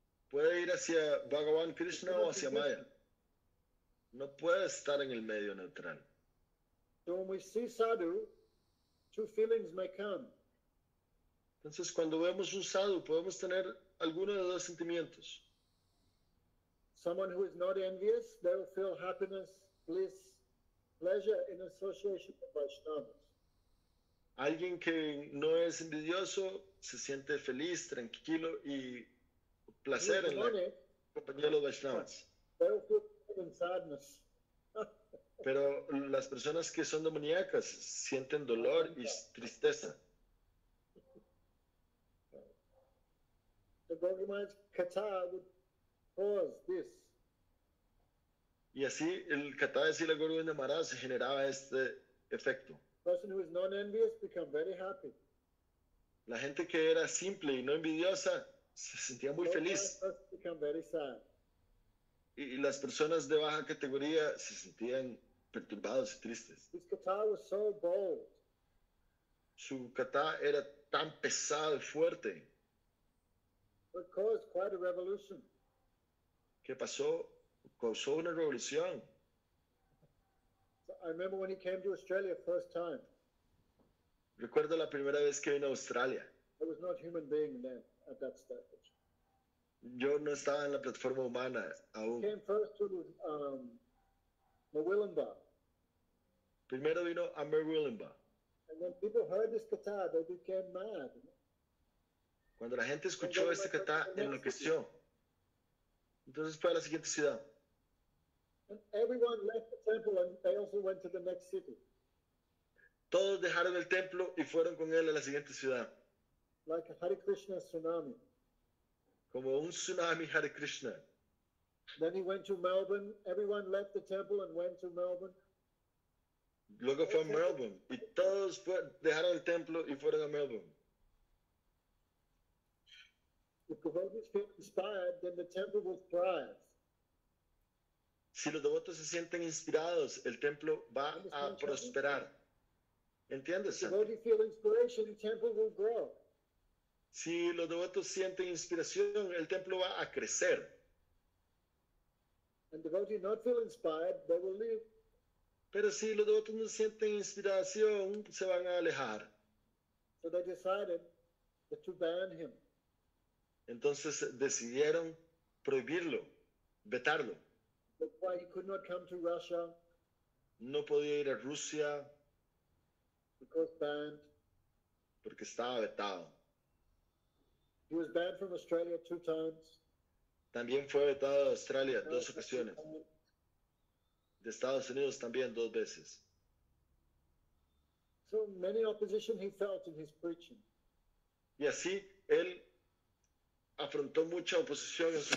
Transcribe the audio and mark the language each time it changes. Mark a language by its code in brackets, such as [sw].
[es] Puede ir hacia Bhagavan Krishna o hacia Maya. No puede estar en el medio neutral. [en] So when we see sadhu, two feelings may come. [es] Entonces, cuando vemos un sadhu, podemos tener alguno de dos sentimientos. [en] Someone who is not envious, they will feel happiness, bliss, pleasure in association with Vaishnavas. [es] Alguien que no es envidioso se siente feliz, tranquilo y placer en la compañía de los Vaishnavas. [en] They will feel pain and sadness. [es] Pero las personas que son demoníacas sienten dolor y tristeza. [en] The Gorgimaj Kata would cause this. [es] Y así el Kata de Sila Gorgimaj Maharaj generaba este efecto. [en] Person who is non-envious become very happy. [es] La gente que era simple y no envidiosa se sentía muy feliz. [en] Become very sad. [es] Y las personas de baja categoría se sentían perturbados y tristes. [en] His Kata was so bold. [es] Su Kata era tan pesado y fuerte. [en] It caused quite a revolution. [es] ¿Qué pasó? Causó una revolución. [en] So I remember when he came to Australia first time. [es] Recuerdo la primera vez que vino a Australia. [en] I was not human being then at that stage. [es] Yo no estaba en la plataforma humana aún. [en] He came first to Mawillamba. [es] Primero vino a Mawillamba. [en] And when people heard this kata, they became mad. [es] Cuando la gente escuchó este kata, enloqueció. Entonces fue a la siguiente ciudad. [en] And everyone left the temple and they also went to the next city. [es] Todos dejaron el templo y fueron con él a la siguiente ciudad. [en] Like a Hare Krishna tsunami. [es] Como un tsunami Hare Krishna. [en] Then he went to Melbourne. Everyone left the temple and went to Melbourne. [es] Luego fue a Melbourne y todos dejaron el templo y fueron a Melbourne. [en] If devotees feel inspired, then the temple will thrive. [es] Si los devotos se sienten inspirados, el templo va a prosperar. ¿Entiendes? [en] If devotees feel inspiration, the temple will grow. [es] Si los devotos sienten inspiración, el templo va a crecer. [en] And devotees not feel inspired, they will leave. [es] Pero si los devotos no sienten inspiración, se van a alejar. [en] So they decided that to ban him. [es] Entonces decidieron prohibirlo, vetarlo. [en] That's why he could not come to Russia. [es] No podía ir a Rusia. [en] Because banned. [es] Porque estaba vetado. [en] He was banned from Australia two times. [es] También fue vetado de Australia dos ocasiones. De Estados Unidos también dos veces. [en] So many opposition he felt in his preaching. [es] Y así él afrontó mucha oposición en su